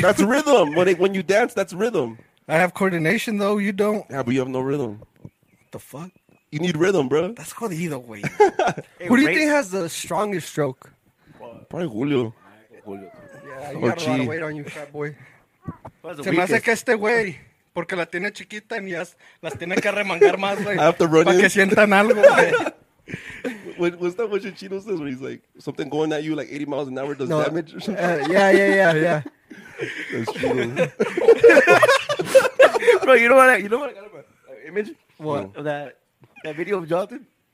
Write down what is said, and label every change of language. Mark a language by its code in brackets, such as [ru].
[en] That's rhythm. When you dance, that's rhythm. I have coordination, though. You don't. Yeah, but you have no rhythm. What the fuck? You need rhythm, bro. That's called either way. Hey, who do you think has the strongest stroke? Probably Julio. Yeah, you got a lot of weight on you, fat boy. [es] Se me hace que este güey, porque la tiene chiquita y las tiene que remangar más, güey. [en] I have to run [es] pa [en] in. [es] Para que sientan algo, güey. [en] What's that what Chino says where he's like, something going at you like 80 miles an hour does damage or something? Yeah. That's true. Bro, you know what I got an image? What? That video of Jonathan?